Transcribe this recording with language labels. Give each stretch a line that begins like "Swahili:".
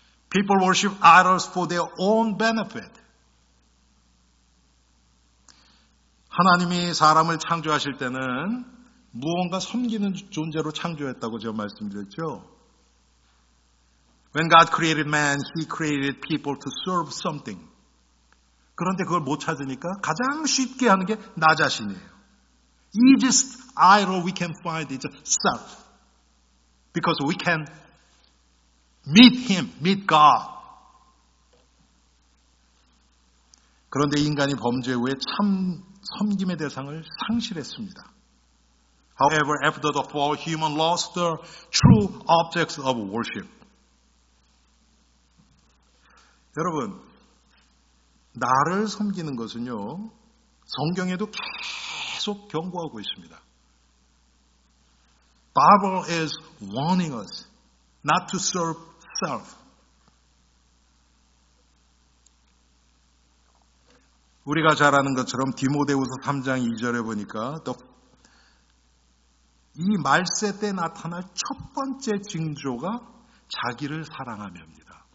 English: People worship idols for their own benefit.
Korean: 하나님이 사람을 창조하실 때는 무언가 섬기는 존재로 창조했다고 제가 말씀드렸죠.
English: When God created man, He created people to serve something.
Korean: 그런데 그걸 못 찾으니까 가장 쉽게 하는 게 나 자신이에요.
English: Easiest idol we can find is self. Because we can meet Him, meet God.
Korean: 그런데 인간이 범죄 후에 참 섬김의 대상을 상실했습니다.
English: However, after the fall, human lost the true objects of worship.
Korean: 여러분, 나를 섬기는 것은요, 성경에도 계속 경고하고 있습니다.
English: Bible is warning us not to serve self.
Korean: 우리가 잘 아는 것처럼 디모데후서 3장 2절에 보니까 이 말세 때 나타날 첫 번째 징조가 자기를 사랑함입니다.